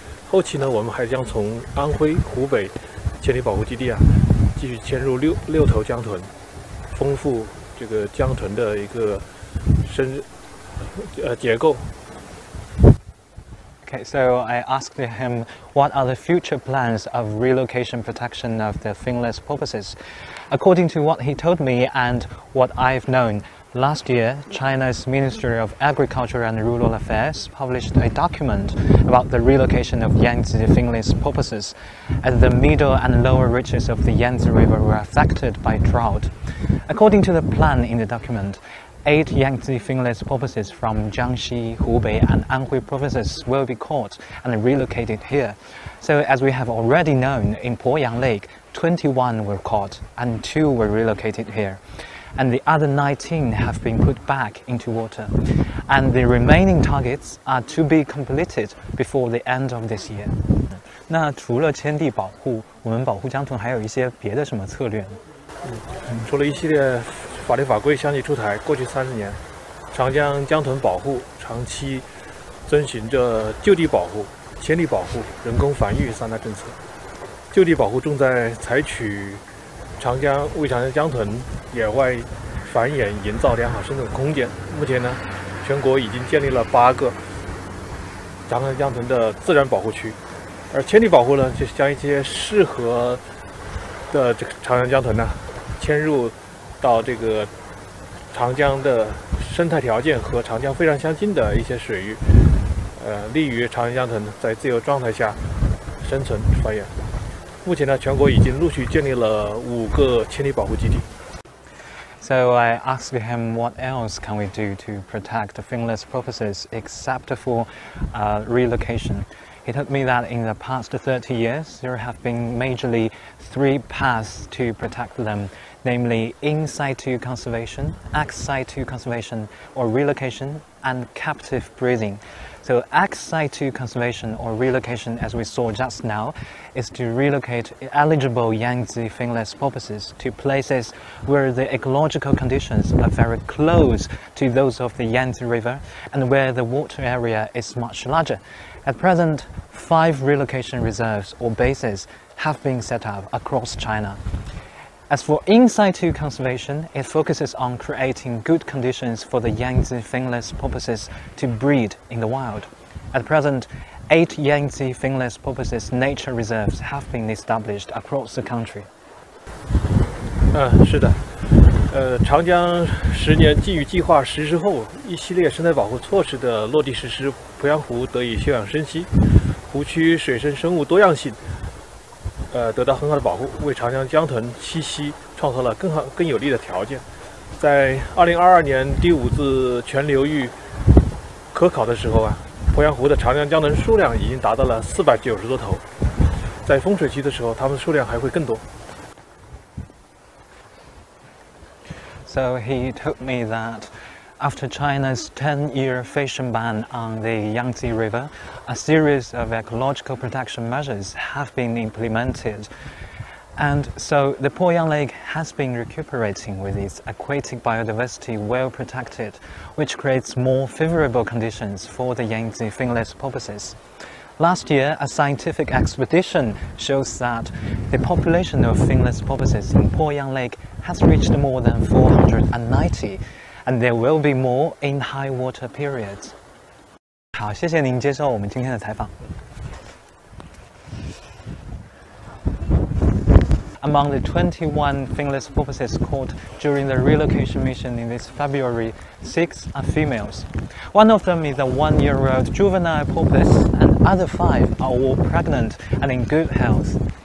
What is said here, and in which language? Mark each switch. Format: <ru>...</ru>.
<zh>后期呢，我们还将从安徽、湖北千里保护基地啊，继续迁入六头江豚，丰富这个江豚的一个结构。</zh> <en>Okay, so I asked him, what are the future plans of relocation protection of the finless porpoises? According to what he told me and what I've known, last year, China's Ministry of Agriculture and Rural Affairs published a document about the relocation of Yangtze finless porpoises, as the middle and lower reaches of the Yangtze River were affected by drought. According to the plan in the document, 8 Yangtze finless porpoises from Jiangxi, Hubei and Anhui provinces will be caught and relocated here. So as we have already known, in Poyang Lake, 21 were caught and 2 were relocated here. And the other 19 have been put back into water. And the remaining targets are to be completed before the end of this year.</en> <zh>那除了迁地保护，我们保护江豚还有一些别的什么策略呢？除了一系列法律法规相继出台，过去30年，长江江豚保护长期遵循着就地保护、迁地保护、人工繁育三大政策。就地保护重在采取为长江江豚野外繁衍营造良好生存空间。目前呢，全国已经建立了8个长江江豚的自然保护区，而迁地保护呢，就是将一些适合的这个长江江豚呢迁入到这个长江的生态条件和长江非常相近的一些水域，利于长江江豚在自由状态下生存繁衍。目前呢，全国已经陆续建立了5个迁地保护基地。</zh> <en>So I asked him, what else can we do to protect the finless porpoises except for relocation? He told me that in the past 30 years, there have been majorly 3 paths to protect them, namely in-situ conservation, ex-situ conservation or relocation, and captive breeding. So ex-situ conservation or relocation, as we saw just now, is to relocate eligible Yangtze finless porpoises to places where the ecological conditions are very close to those of the Yangtze River and where the water area is much larger. At present, 5 relocation reserves or bases have been set up across China. As for in-situ conservation, it focuses on creating good conditions for the Yangtze finless porpoises to breed in the wild. At present, 8 Yangtze finless porpoises nature reserves have been established across the country.</en> <zh>是的，长江十年禁渔计划实施后，一系列生态保护措施的落地实施，鄱阳湖得以休养生息，湖区水生生物多样性，得到很好的保护，为长江江豚栖息创造了更有利的条件。在2022年第五次全流域科考的时候啊，鄱阳湖的长江江豚数量已经达到了490多头，在丰水期的时候，它们数量还会更多。</zh> <en>So he told me that after China's 10-year fishing ban on the Yangtze River, a series of ecological protection measures have been implemented. And so the Poyang Lake has been recuperating with its aquatic biodiversity well protected, which creates more favorable conditions for the Yangtze finless porpoises. Last year, a scientific expedition shows that the population of finless porpoises in Poyang Lake has reached more than 490, and there will be more in high water periods.</en> <zh>好，谢谢您接受我们今天的采访。</zh> <en>Among the 21 finless porpoises caught during the relocation mission in this February, 6 are females. One of them is a 1-year-old juvenile porpoise, and other 5 are all pregnant and in good health.</en>